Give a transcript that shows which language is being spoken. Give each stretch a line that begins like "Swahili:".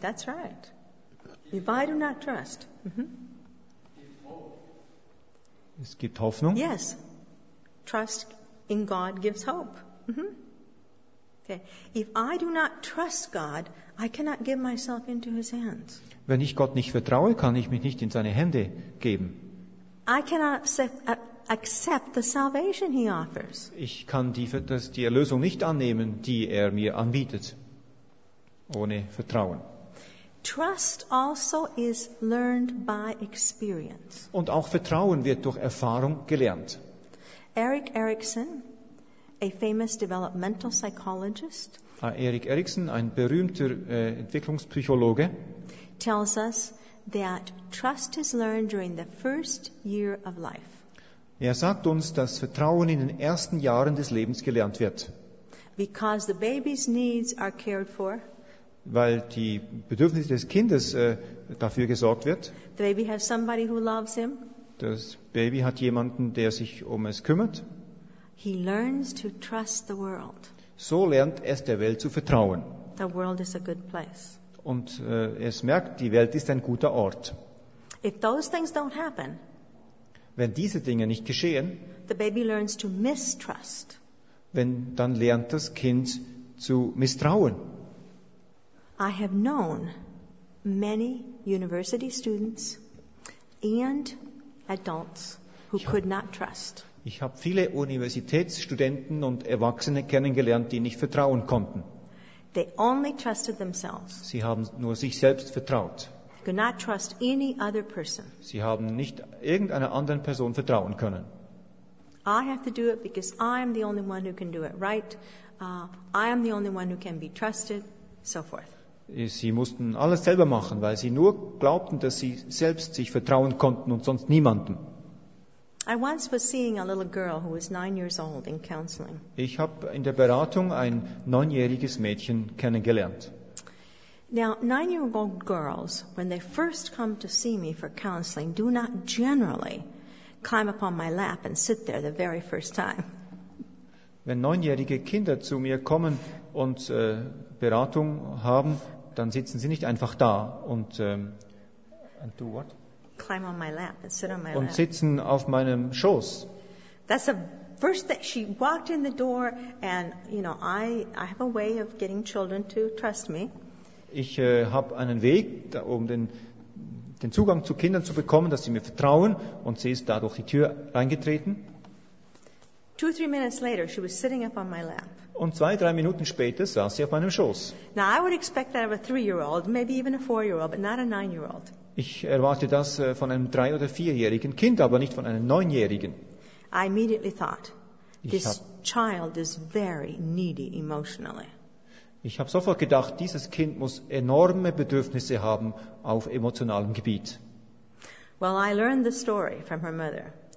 English: That's right. If I do not trust. Mm-hmm.
German: Es gibt Hoffnung.
English: Yes, trust in God gives hope. Mm-hmm. Okay. If I do not trust God, I cannot give myself into His hands.
German: Wenn ich Gott nicht vertraue, kann ich mich nicht in seine Hände geben.
English: I cannot accept the salvation he offers.
German: Ich kann die Erlösung nicht annehmen, die mir anbietet, ohne Vertrauen.
English: Trust also is learned by experience.
German: Und auch Vertrauen wird durch Erfahrung gelernt.
English: Erik Erikson, a famous developmental psychologist,
German: Erik Erikson, ein berühmter Entwicklungspsychologe,
English: tells us that trust is learned during the first year of life.
German: Er sagt uns, dass Vertrauen in den ersten Jahren des Lebens gelernt wird.
English: Because the baby's needs are cared for.
German: Weil die Bedürfnisse des Kindes dafür gesorgt wird.
English: The baby has somebody who loves him.
German: Das Baby hat jemanden, der sich um es kümmert.
English: He learns to trust the world.
German: So lernt es, der Welt zu vertrauen.
English: The world is a good place.
German: Und es merkt, die Welt ist ein guter Ort.
English: If those things don't happen,
German: wenn diese Dinge nicht geschehen,
English: the baby learns to mistrust.
German: Wenn, dann lernt das Kind zu misstrauen.
English: I have known many university students and adults who could not trust.
German: Ich habe viele Universitätsstudenten und Erwachsene kennengelernt, die nicht vertrauen konnten.
English: They only trusted themselves.
German: Sie haben nur sich selbst vertraut.
English: Could not trust any other person.
German: Sie haben nicht irgendeiner anderen Person vertrauen können.
English: I have to do it because I am the only one who can do it right. I am the only one who can be trusted, so forth.
German: Sie mussten alles selber machen, weil sie nur glaubten, dass sie selbst sich vertrauen konnten und sonst niemanden.
English: I once was seeing a little girl who was 9 years old in counseling.
German: Ich habe in der Beratung ein 9-jähriges Mädchen kennengelernt.
English: Now, 9-year-old girls, when they first come to see me for counseling, do not generally climb upon my lap and sit there the very first time.
German: Wenn 9-jährige Kinder zu mir kommen und Beratung haben, dann sitzen sie nicht einfach da und
English: do what? Climb on my lap and sit on my lap.
German: Und sitzen auf meinem Schoß.
English: That's a first that she walked in the door, and you know, I have a way of getting children to trust me.
German: Ich habe einen Weg, um den Zugang zu Kindern zu bekommen, dass sie mir vertrauen, und sie ist dadurch die Tür reingetreten.
English: 2-3 minutes later, she was sitting up on my lap.
German: Und 2-3 Minuten später saß sie auf meinem Schoß.
English: Now I would expect that of a 3-year-old, maybe even a 4-year-old, but not a 9-year-old.
German: Ich erwarte das von einem 3- oder 4-jährigen Kind, aber nicht von einem 9-jährigen.
English: I immediately thought, this child is very needy emotionally.
German: Ich habe sofort gedacht, dieses Kind muss enorme Bedürfnisse haben auf emotionalem Gebiet.
English: Well, I learned the story from her mother.